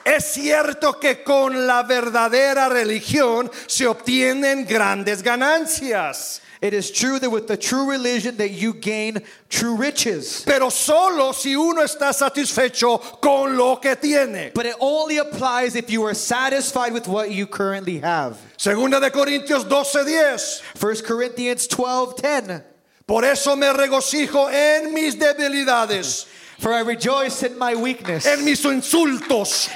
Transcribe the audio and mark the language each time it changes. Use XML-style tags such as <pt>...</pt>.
<es>Es cierto que con la verdadera religión se obtienen grandes ganancias.</es> <en>It is true that with the true religion that you gain true riches.</en> <es>Pero solo si uno está satisfecho con lo que tiene.</es> <en>But it only applies if you are satisfied with what you currently have.</en> <es>Segunda de Corintios 12:10.</es> <en>1 Corinthians 12:10.</en> <es>Por eso me regocijo en mis debilidades.</es> <en>For I rejoice in my weakness.</en> <es>En mis insultos.</es>